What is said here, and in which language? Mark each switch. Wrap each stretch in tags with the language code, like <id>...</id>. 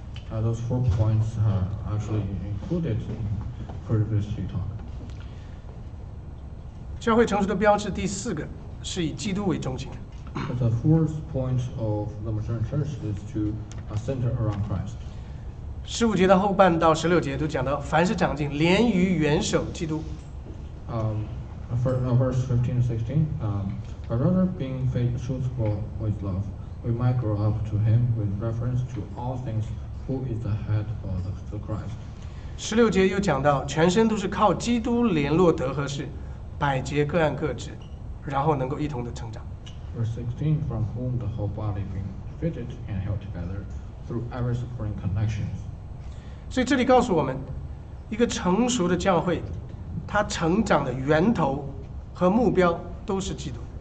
<en>Those four points actually included in previous talk.</en> <zh>教会成熟的标志第四个是以基督为中心。</zh> <en>But the fourth point of the modern church is to center around Christ.</en> <zh>十五节的后半到十六节都讲到，凡是长进，连于元首基督。</zh> <en>Verse 15 and 16. But rather being faithful with love, we might grow up to Him with reference to all things, who is the head of the Christ.</en> <zh>十六节又讲到，全身都是靠基督联络得合适，百节各按各职，然后能够一同的成长。</zh> <en>Verse 16, from whom the whole body being fitted and held together through every supporting connections.</en> <zh>所以这里告诉我们，一个成熟的教会，它成长的源头和目标都是基督。</zh>